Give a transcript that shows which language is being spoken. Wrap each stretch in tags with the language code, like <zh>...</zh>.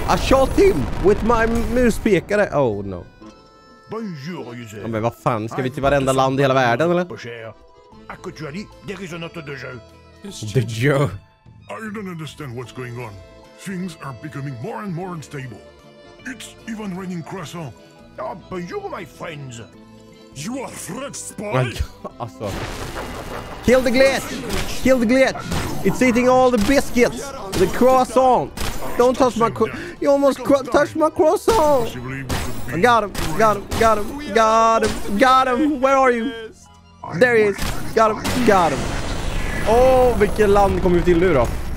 <en>I shot him with my muspekare. Oh no.</en> <fr>Bonjour,</fr> <sv>men vad fan, ska vi till varenda land i hela världen eller?</sv> <en>Actually, there is another déjà.</en> <fr>Déjà.</fr> <en>I don't understand what's going on. Things are becoming more and more unstable. It's even raining croissant. Oh, bonjour, my friends. You are Fred Spy.</en> <sv>Asså.</sv> <en>Kill the glitch. Kill the glitch. It's eating all the biscuits. The croissant. Don't touch my croissant. You almost touched my croissant. I got him, got him, got him, got him, got him. Where are you? There he is. Got him, got him.</en> <sv>Åh, vilket land kommer vi till nu då?</sv>